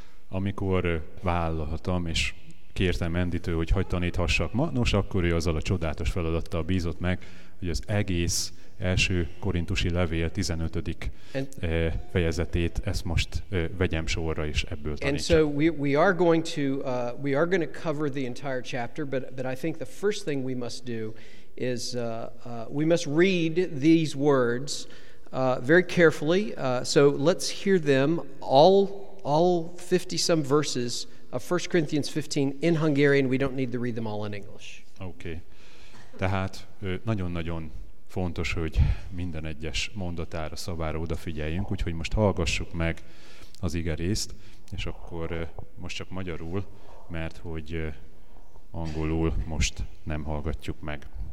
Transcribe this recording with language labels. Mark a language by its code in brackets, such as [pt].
[hu] Amikor vállalhatom, és kértem Enditől, hogy hagyd taníthassak ma, nos, akkor ő azzal a csodálatos feladattal bízott meg, hogy az egész első korintusi levél 15. fejezetét ezt most vegyem sorra, és ebből tanítsam. [en] And so we are going to cover the entire chapter, but I think the first thing we must do is we must read these words very carefully. So let's hear them all 50 some verses of 1 Corinthians 15 in Hungarian. We don't need to read them all in English. Okay. [hu] Tehát nagyon-nagyon fontos, hogy minden egyes mondatára, szavára odafigyeljünk, úgyhogy most hallgassuk meg az ige részt, és akkor most csak magyarul, mert hogy angolul most nem hallgatjuk meg.